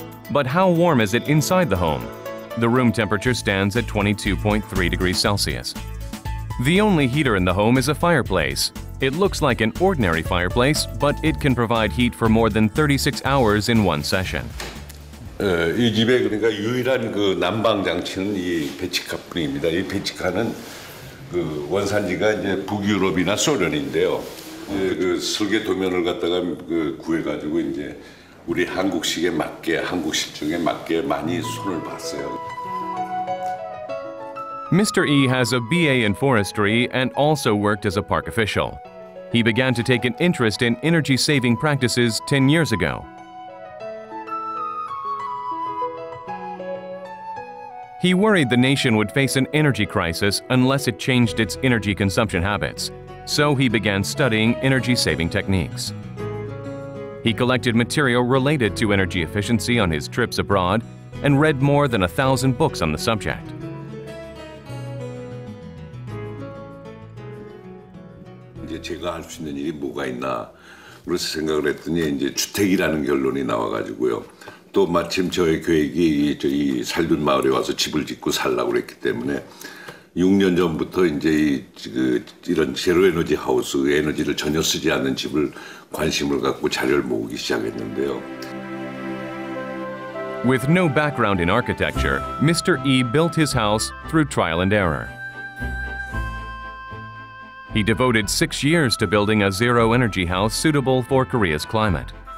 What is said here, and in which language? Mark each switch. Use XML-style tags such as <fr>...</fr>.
<en>But how warm is it inside the home? The room temperature stands at 22.3°C. The only heater in the home is a fireplace. It looks like an ordinary fireplace, but it can provide heat for more than 36 hours in one session.</en> <ko>이 집에 그러니까 유일한 그 난방 장치는 이 배치카뿐입니다. 이 배치카는 그 원산지가 이제 북유럽이나 소련인데요. 그 설계 도면을 갖다가 그 구해가지고 이제 우리 한국식에 맞게 한국식 중에 맞게 많이 손을 봤어요.</ko> <en>Mr. Yi has a BA in forestry and also worked as a park official. He began to take an interest in energy-saving practices 10 years ago. He worried the nation would face an energy crisis unless it changed its energy consumption habits. So he began studying energy-saving techniques. He collected material related to energy efficiency on his trips abroad and read more than 1,000 books on the subject.</en> <ko>할 수 있는 일이 뭐가 있나 그래서 생각을 했더니 이제 주택이라는 결론이 나와가지고요. 또 마침 저의 계획이 저희 살던 마을에 와서 집을 짓고 살라고 그랬기 때문에 6년 전부터 이제 이런 제로에너지 하우스 에너지를 전혀 쓰지 않는 집을 관심을 갖고 자료를 모으기 시작했는데요.</ko> <en>With no background in architecture, Mr. Yi built his house through trial and error. He devoted 6 years to building a zero-energy house suitable for Korea's climate.</en>